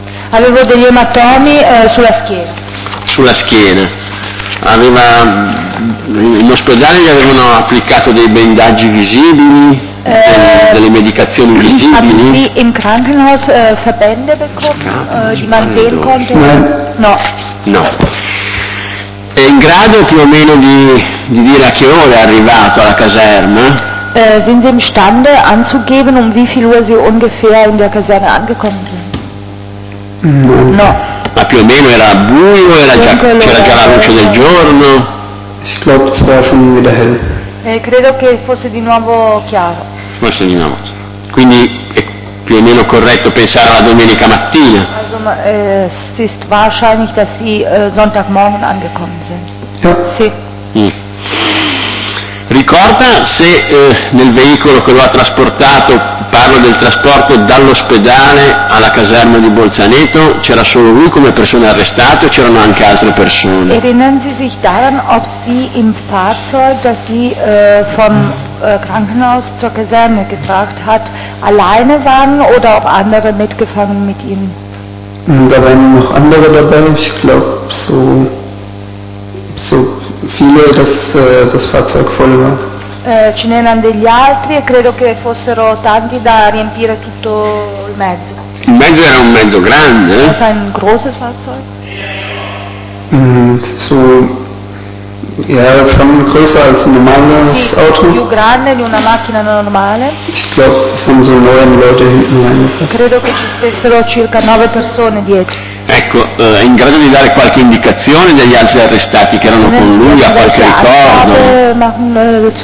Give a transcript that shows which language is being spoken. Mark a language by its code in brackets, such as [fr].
[it] Avevo degli ematomi sulla schiena. Sulla schiena. Aveva, in ospedale gli avevano applicato dei bendaggi visibili, delle medicazioni visibili. Sì, [de] in Krankenhaus Verbände bekommen, die man sehen konnte. [it] No. No. È in grado più o meno di dire a che ora è arrivato alla caserma? [de] Sind Sie imstande anzugeben, um wie viel Uhr Sie ungefähr in der Kaserne angekommen sind? [it] No. Ma più o meno era buio, c'era già la luce del giorno. [de] Ich glaube, es war schon wieder hell. [it] Credo che fosse di nuovo chiaro. Forse di nuovo. Quindi è più o meno corretto pensare alla domenica mattina. Insomma, [de] es ist wahrscheinlich, dass Sie Sonntagmorgen angekommen sind. Ja. [it] Sì. Ricorda se nel veicolo che lo ha trasportato, parlo del trasporto dall'ospedale alla caserma di Bolzaneto, c'era solo lui come persona arrestata o c'erano anche altre persone? [de] Erinnern Sie sich daran, ob Sie im Fahrzeug, das Sie vom Krankenhaus zur Kaserne getragen hat, alleine waren oder ob andere mitgefangen mit Ihnen? Da waren noch andere dabei. Ich glaube, so viele, dass das Fahrzeug voll war. [it] Ce n'erano degli altri e credo che fossero tanti da riempire tutto il mezzo. Il mezzo era un mezzo grande. [de] Das war ein großes Fahrzeug. So, ja, schon größer als ein normales [it] sì, [de] Auto. [it] Più grande di una macchina normale. [de] Ich glaube, es sind so 9 Leute hinten reingepasst. [it] Credo che ci stessero circa 9 persone dietro. Ecco, è in grado di dare qualche indicazione degli altri arrestati che erano con lui, ha qualche ricordo?